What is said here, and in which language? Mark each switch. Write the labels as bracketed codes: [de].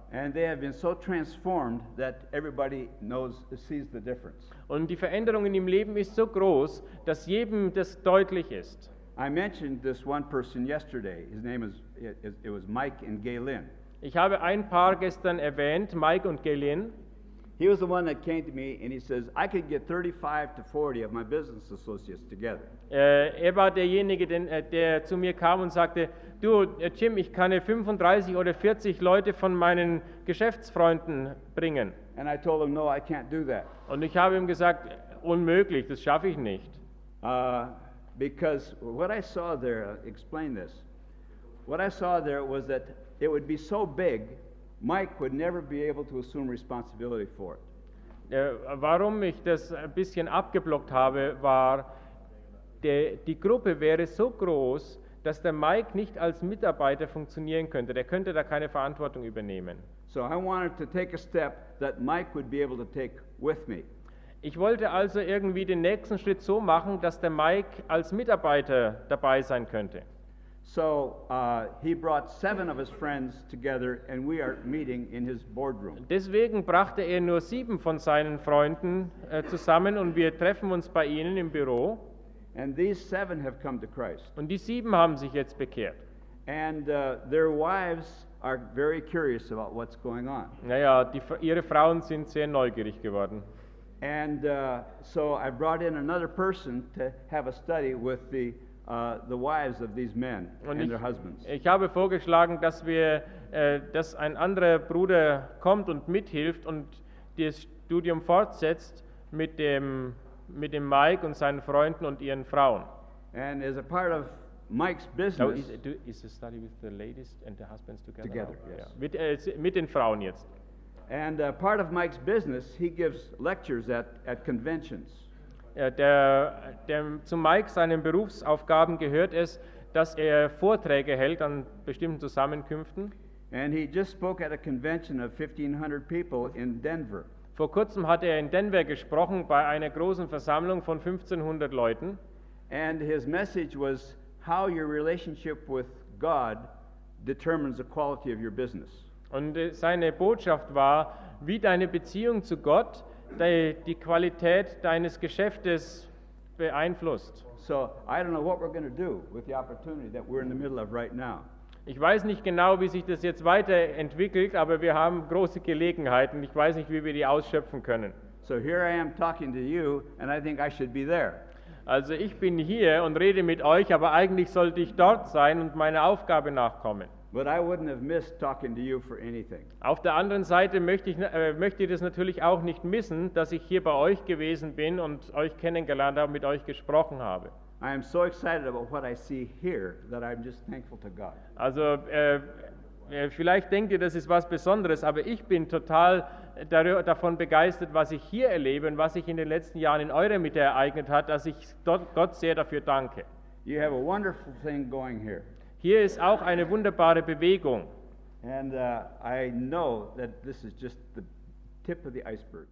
[en] And they have been so transformed that everybody knows, sees the difference. [de] Und die Veränderung in ihrem Leben ist so groß, dass jedem das deutlich ist. [en] I mentioned this one person yesterday. His name was Mike and Galen. [de] Ich habe ein Paar gestern erwähnt, Mike und Galen. [en] He was the one that came to me and he says, I could get 35 to 40 of my business associates together. [de] Er war derjenige, der zu mir kam und sagte, du, Jim, ich kann 35 oder 40 Leute von meinen Geschäftsfreunden bringen. [en] And I told him, no, I can't do that. [de] Und ich habe ihm gesagt, unmöglich, das schaffe ich nicht. [en] Because what I saw there, explain this. What I saw there was that it would be so big, Mike would never be able to assume responsibility for it. [de] Warum ich das ein bisschen abgeblockt habe, war, die Gruppe wäre so groß, dass der Mike nicht als Mitarbeiter funktionieren könnte. Der könnte da keine Verantwortung übernehmen. [en] So I wanted to take a step that Mike would be able to take with me. [de] Ich wollte also irgendwie den nächsten Schritt so machen, dass der Mike als Mitarbeiter dabei sein könnte. [en] So he brought seven of his friends together and we are meeting in his boardroom. [de] Deswegen brachte nur sieben von seinen Freunden zusammen und wir treffen uns bei ihnen im Büro. [en] And these seven have come to Christ. [de] Und die sieben haben sich jetzt bekehrt. [en] And their wives are very curious about what's going on. [de] Naja, ihre Frauen sind sehr neugierig geworden. [en] And so I brought in another person to have a study with the wives of these men [de] und [en] and [de] ich, [en] their husbands. [de] Ich habe vorgeschlagen, dass wir dass ein anderer Bruder kommt und mithilft und das Studium fortsetzt mit dem Mike und seinen Freunden und ihren Frauen. [en] And as a part of Mike's business. So is the study with the ladies and the husbands together? Together, yes. [de] Yeah. Mit den Frauen jetzt. [en] And part of Mike's business, he gives lectures at conventions. [de] Ja, zu Mike seinen Berufsaufgaben gehört es, dass er Vorträge hält an bestimmten Zusammenkünften. [en] And he just spoke at a convention of 1,500 people in Denver. [de] Vor kurzem hat er in Denver gesprochen bei einer großen Versammlung von 1,500 Leuten. [en] And his message was how your relationship with God determines the quality of your business. [de] Und seine Botschaft war, wie deine Beziehung zu Gott die Qualität deines Geschäftes beeinflusst. [en] So, I don't know what we're going to do with the opportunity that we're in the middle of right now. [de] Ich weiß nicht genau, wie sich das jetzt weiterentwickelt, aber wir haben große Gelegenheiten. Ich weiß nicht, wie wir die ausschöpfen können. [en] So here I am talking to you, and I think I should be there. [de] Also ich bin hier und rede mit euch, aber eigentlich sollte ich dort sein und meiner Aufgabe nachkommen. [en] But I wouldn't have missed talking to you for anything. [de] Auf der anderen Seite möchte ich das natürlich auch nicht missen, dass ich hier bei euch gewesen bin und euch kennengelernt habe, mit euch gesprochen habe. [en] I am so excited about what I see here that I'm just thankful to God. [de] Also vielleicht denkt ihr, das ist was Besonderes, aber ich bin total davon begeistert, was ich hier erlebe und was sich in den letzten Jahren in eurer Mitte ereignet hat, dass ich Gott sehr dafür danke. [en] You have a wonderful thing going here. [de] Hier ist auch eine wunderbare Bewegung. [en] And I know that this is just the tip of the iceberg.